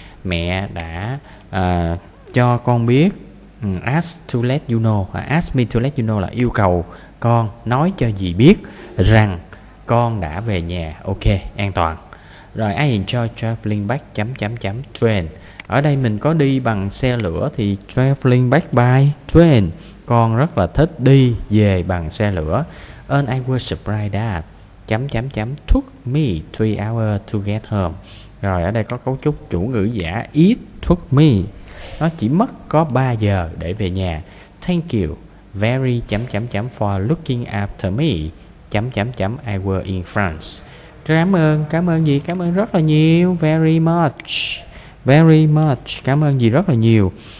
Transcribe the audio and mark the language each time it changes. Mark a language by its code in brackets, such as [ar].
[vi] Mẹ đã cho con biết, [en] ask to let you know, [vi] ask me to let you know là yêu cầu con nói cho dì biết rằng con đã về nhà okay, an toàn. Rồi [en] I enjoy traveling back [vi] chấm chấm chấm train. Ở đây mình có đi bằng xe lửa thì [en] traveling back by train. [vi] Con rất là thích đi về bằng xe lửa. [en] And I was surprised that [vi] chấm chấm chấm [en] took me 3 hours to get home. [vi] Rồi ở đây có cấu trúc chủ ngữ giả [en] it took me. [vi] Nó chỉ mất có 3 giờ để về nhà. [en] Thank you very [vi] chấm chấm chấm [en] for looking after me [vi] chấm chấm chấm [en] I was in France. [vi] Cảm ơn gì, cảm ơn rất là nhiều. [en] Very much. Very much, [vi] cảm ơn gì rất là nhiều.